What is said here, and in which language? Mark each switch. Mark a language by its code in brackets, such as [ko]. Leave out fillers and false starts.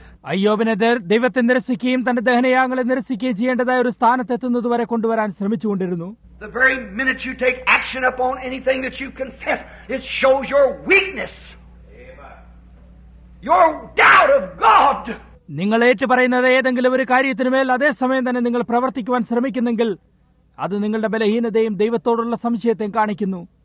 [ml] അയ്യോബിനെ ദൈവത്തെ നിരസിക്കുകയും തന്റെ ദഹനയാഗങ്ങളെ നിരസിക്കുകയും ചെയ്യേണ്ടതായ ഒരു സ്ഥാനത്തെത്തുന്നതുവരെ കൊണ്ടുവരാൻ ശ്രമിച്ചുകൊണ്ടിരുന്നു. [en] The very minute you take action upon anything that you confess, it shows your weakness. Amen. Your doubt of God. [ml] നിങ്ങൾ ഏറ്റു പറയുന്നത് ഏതെങ്കിലും ഒരു കാര്യത്തിനുമേൽ അതേസമയം തന്നെ നിങ്ങൾ പ്രവർത്തിക്കുവാൻ ശ്രമിക്കുന്നെങ്കിൽ അത് നിങ്ങളുടെ ബലഹീനതയും ദൈവത്തോടുള്ള സംശയത്തെയും കാണിക്കുന്നു.